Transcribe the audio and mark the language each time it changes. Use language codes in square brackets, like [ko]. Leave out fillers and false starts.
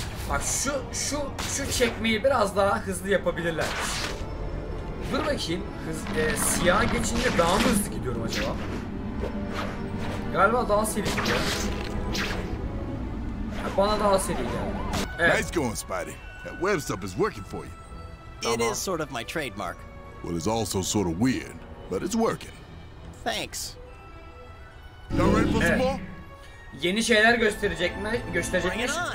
[tr] Bak şu çekmeyi biraz daha hızlı yapabilirler. Dur bakayım. Siyah geçince daha mı hızlı gidiyorum acaba? Galiba daha seri gidiyor. Bana daha seri geldi. [en] Evet. Nice going, Spidey. That web stuff is working for you. It is sort of my trademark. Well, it's also sort of weird, but it's working. Thanks. You ready for some more? [tr] Yeni şeyler gösterecekmiş.